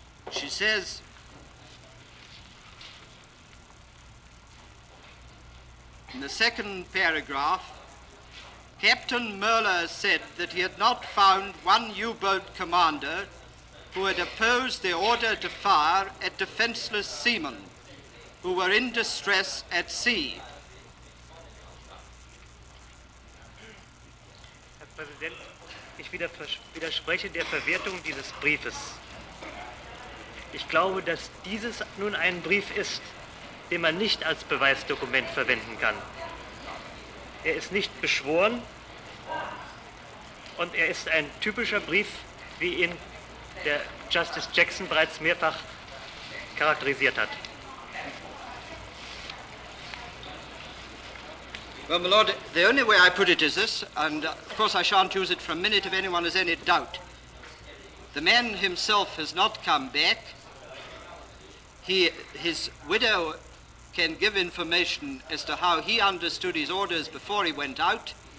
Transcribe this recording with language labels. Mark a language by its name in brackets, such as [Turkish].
[English] She says, in the second paragraph, Captain Möller said that he had not found one U-boat commander who had opposed the order to fire at defenseless seamen who were in distress at sea. [German] Herr Präsident, ich widerspreche der Verwertung dieses Briefes. Ich glaube, dass dieses nun ein Brief ist, den man nicht als Beweisdokument verwenden kann. Er ist nicht beschworen. Und er ist ein typischer Brief, wie ihn der Justice Jackson bereits mehrfach charakterisiert hat. [English] Well, my lord, the only way I put it is this, and of course I shan't use it for a minute if anyone has any doubt. The man himself has not come back. His widow can give information as to how he understood his orders before he went out.